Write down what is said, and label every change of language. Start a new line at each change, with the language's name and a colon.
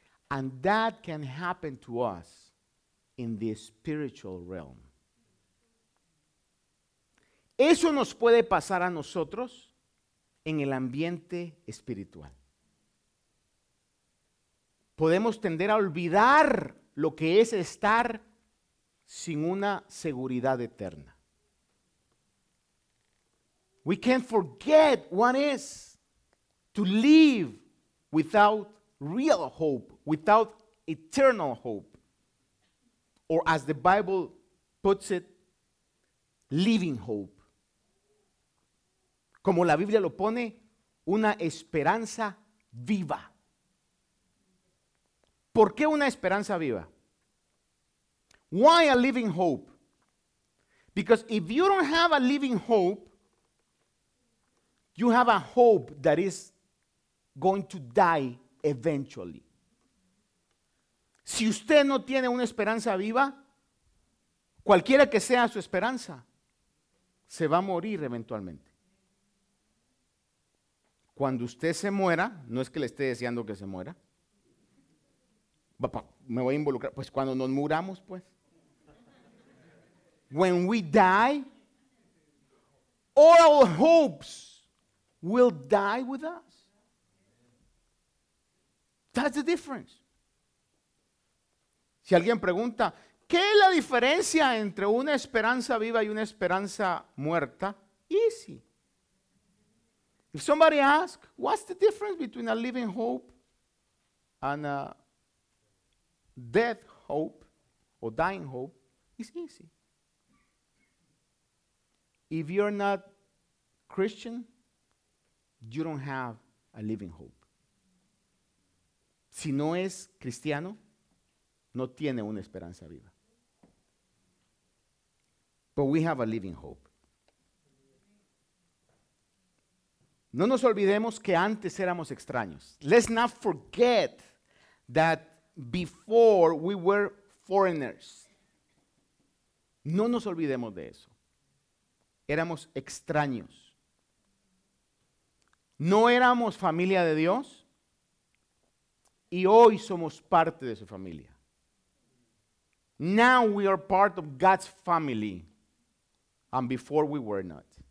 English: And that can happen to us in the spiritual realm.
Spanish: Eso nos puede pasar a nosotros en el ambiente espiritual. Podemos tender a olvidar lo que es estar sin una seguridad eterna.
English: We can't forget what is to live without real hope, without eternal hope. Or as the Bible puts it, living hope.
Spanish: Como la Biblia lo pone, una esperanza viva. ¿Por qué una esperanza viva?
English: Why a living hope? Because if you don't have a living hope, you have a hope that is going to die eventually.
Spanish: Si usted no tiene una esperanza viva, cualquiera que sea su esperanza, se va a morir eventualmente. Cuando usted se muera, no es que le esté deseando que se muera. Papá, me voy a involucrar. Pues cuando nos muramos, pues.
English: When we die, all hopes will die with us. That's the difference.
Spanish: Si alguien pregunta, ¿qué es la diferencia entre una esperanza viva y una esperanza muerta?
English: Easy. If somebody asks, what's the difference between a living hope and a death hope or dying hope? It's easy. If you're not Christian, you don't have a living hope.
Spanish: Si no es cristiano, no tiene una esperanza viva.
English: But we have a living hope.
Spanish: No nos olvidemos que antes éramos extraños.
English: Let's not forget that before we were foreigners.
Spanish: No nos olvidemos de eso. Éramos extraños. No éramos familia de Dios y hoy somos parte de su familia.
English: Now we are part of God's family and before we were not.